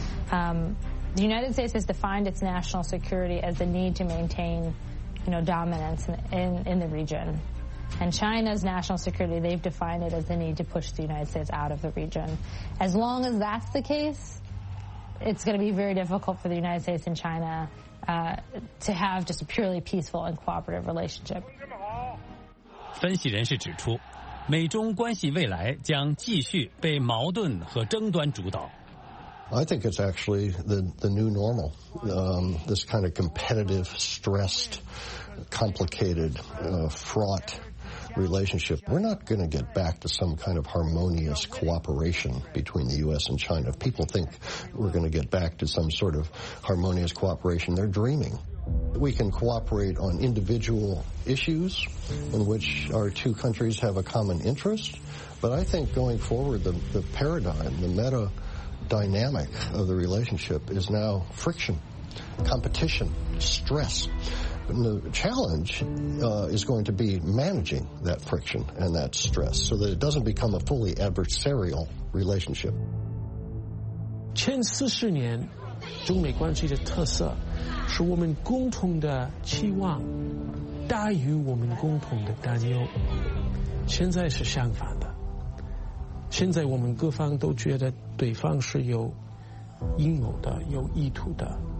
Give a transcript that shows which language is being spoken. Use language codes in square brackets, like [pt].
[en] The United States has defined its national security as the need to maintain, you know, dominance in the region. And China's national security, they've defined it as the need to push the United States out of the region. As long as that's the case, it's going to be very difficult for the United States and China to have just a purely peaceful and cooperative relationship. [zh] 分析人士指出，美中关系未来将继续被矛盾和争端主导。 [en] I think it's actually the new normal. This kind of competitive, stressed, complicated, fraught relationship. We're not going to get back to some kind of harmonious cooperation between the U.S. and China. If people think we're going to get back to some sort of harmonious cooperation, they're dreaming. We can cooperate on individual issues in which our two countries have a common interest. But I think going forward, the paradigm, the meta dynamic of the relationship is now friction, competition, stress. And the challenge is going to be managing that friction and that stress so that it doesn't become a fully adversarial relationship. [zh] 前四十年中美关系的特色是我们共同的期望大于我们共同的担忧。现在是相反的。现在我们各方都觉得对方是有阴谋的，有意图的。